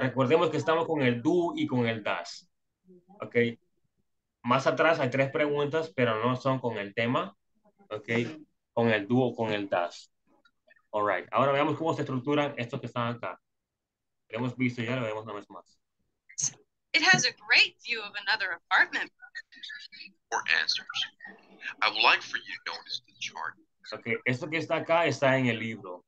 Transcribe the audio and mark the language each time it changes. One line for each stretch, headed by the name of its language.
Spanish: Recordemos que estamos con el do y con el does. Okay. Más atrás hay tres preguntas, pero no son con el tema. Okay. Con el do o con el does.
English: All right.
Spanish: Ahora veamos cómo se estructuran estos que están acá. Hemos visto ya, lo vemos una vez más.
English: It has a great view of another apartment. For answers, I would like for you to notice the chart.
Spanish: Okay, esto que está acá está en el libro.